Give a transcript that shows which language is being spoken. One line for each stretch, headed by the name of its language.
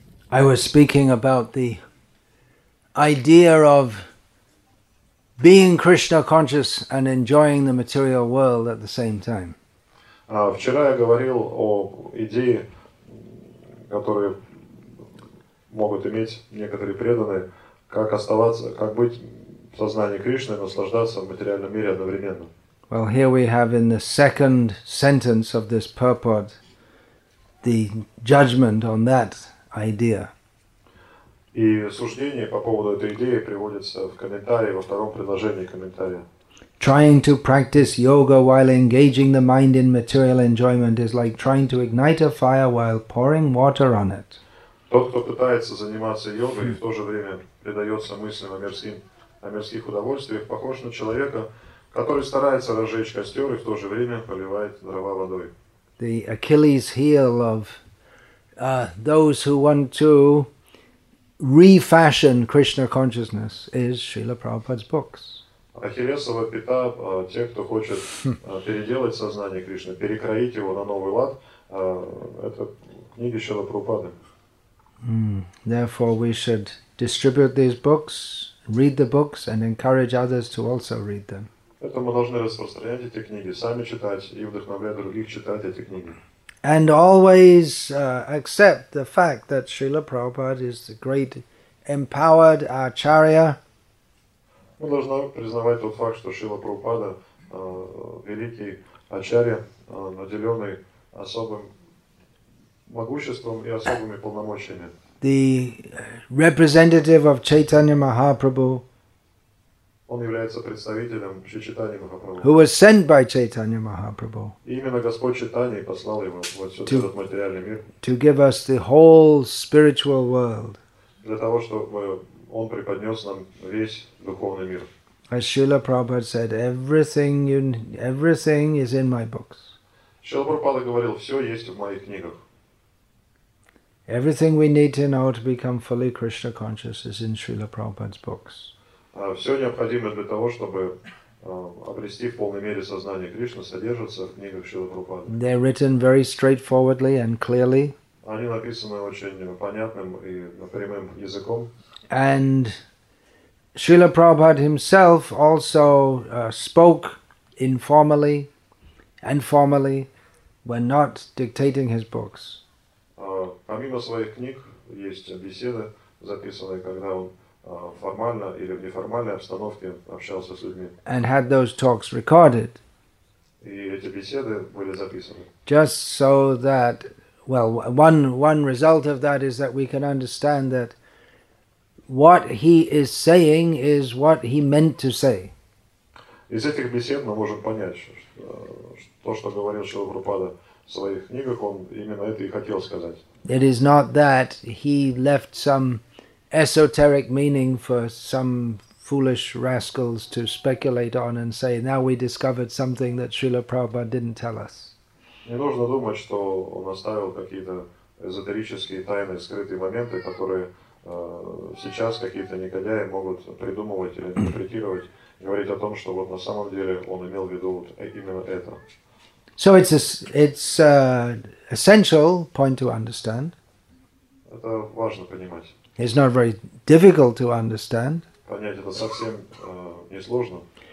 English: I was speaking about the idea of being Krishna conscious and enjoying the material world at the same time.
Russian: Вчера я говорил о идее, которую могут иметь некоторые преданные, как оставаться, как быть в сознании Кришны, наслаждаться в материальном мире одновременно.
English: Well, here we have in the second sentence of this purport the judgment on that idea.
Russian: И суждение по поводу этой идеи приводится в комментарии, во втором предложении комментария.
English: Trying to practice yoga while engaging the mind in material enjoyment is like trying to ignite a fire while pouring water on it.
Russian: Тот, кто пытается заниматься йогой и в то же время предается мыслям о мирских удовольствиях, похож на человека, который старается разжечь костер и в то же время поливает дрова водой.
English: The Achilles heel of those who want to refashion Krishna consciousness is Srila Prabhupada's books.
Russian: Ахиллесова пята тех, кто хочет переделать сознание Кришны, перекроить его на новый лад, это книги Шрила Прабхупады.
English: Therefore, we should distribute these books, read the books, and encourage others to also read them.
Russian: Поэтому мы должны распространять эти книги, сами читать и вдохновлять других читать эти книги.
English: And always accept the fact that Srila Prabhupada is the great empowered acharya.
Russian: Мы должны признавать тот факт, что Шрила Прабхупада великий ачарья, наделенный особым могуществом и особыми полномочиями.
English: The representative of Chaitanya Mahaprabhu.
Russian: Он является представителем Чайтаньи Махапрабху.
English: Who was sent by Chaitanya Mahaprabhu.
Russian: Именно Господь Чайтанья послал его вот в этот материальный мир.
English: To give us the whole spiritual world.
Russian: Для того, чтобы он преподнес нам весь духовный мир.
English: As Srila Prabhupada said, everything is in my books.
Russian: Srila Prabhupada говорил, все есть в моих книгах.
English: Everything we need to know to become fully Krishna conscious is in Srila Prabhupada's books.
Russian: Все необходимое для того, чтобы обрести в полной мере сознание Кришны, содержится в книгах Шрилы Прабхупады.
English: They're written very straightforwardly and clearly.
Russian: Они написаны очень понятным и прямым языком.
English: And Srila Prabhupada himself also spoke informally and formally when not dictating his books.
Russian: Помимо своих книг есть беседы, записанные, когда он формально или в неформальной обстановке общался с людьми.
English: And had those talks recorded.
Russian: И эти беседы были записаны.
English: Just so that, well, one result of that is that we can understand that what he is saying is what he meant to say.
Russian: Из этих бесед мы можем понять, что то, что говорил Шрила Прабхупада в своих книгах, он именно это и хотел сказать.
English: It is not that he left some esoteric meaning for some foolish rascals to speculate on and say, now we discovered something that Srila Prabhupada didn't tell us.
Russian: Не нужно думать, что он оставил какие-то эзотерические тайные скрытые моменты, которые сейчас какие-то негодяи могут придумывать или интерпретировать, говорить о том, что вот на самом деле он имел в виду вот именно это.
English: So it's a essential point to understand.
Russian: Это важно понимать.
English: It's not very difficult to understand.
Russian: Понять это совсем несложно.